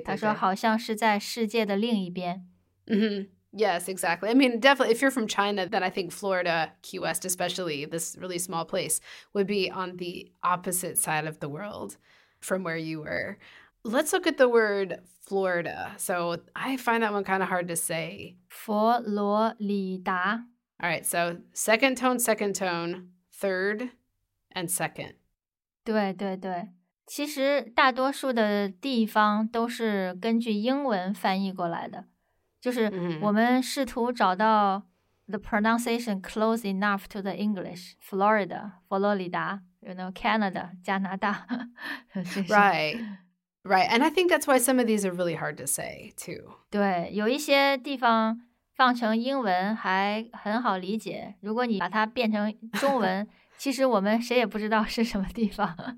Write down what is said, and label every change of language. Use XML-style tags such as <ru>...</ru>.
<zh>他说好像是在世界的另一边。嗯哼。</zh> <en>Yes, exactly. I mean, definitely, if you're from China, then I think Florida, Key West, especially this really small place, would be on the opposite side of the world from where you were. Let's look at the word Florida. So I find that one kind of hard to say.</en> <zh>佛罗里达.</zh> <en>All right, so second tone, third, and second.</en> <zh>对对对，其实大多数的地方都是根据英文翻译过来的。就是我们试图找到</zh> <en>the pronunciation close enough to the English,</en> <zh>Florida, 佛罗里达, you know, Canada, 加拿大。</zh> <en>Right, right. And I think that's why some of these are really hard to say, too.</en> <zh>对,有一些地方放成英文还很好理解。如果你把它变成中文,其实我们谁也不知道是什么地方。</zh>